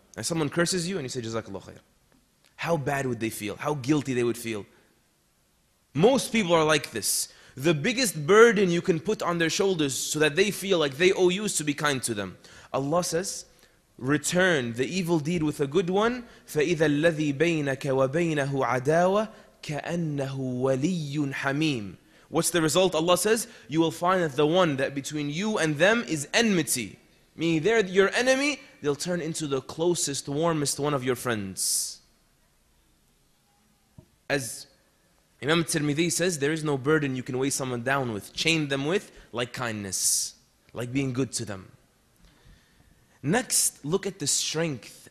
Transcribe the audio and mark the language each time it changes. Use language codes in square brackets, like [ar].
[en] And someone curses you and you say, Jazakallah khair. How bad would they feel? How guilty they would feel? Most people are like this. The biggest burden you can put on their shoulders so that they feel like they owe you is to be kind to them. Allah says, return the evil deed with a good one. [ar] فَإِذَا الَّذِي بَيْنَكَ وَبَيْنَهُ عَدَاوَةَ كَأَنَّهُ وَلِيٌّ حَمِيمٌ [en] What's the result? Allah says, you will find that the one that between you and them is enmity. Meaning they're your enemy, they'll turn into the closest, warmest one of your friends. As Imam Tirmidhi says, there is no burden you can weigh someone down with, chain them with, like kindness, like being good to them. Next, look at the strength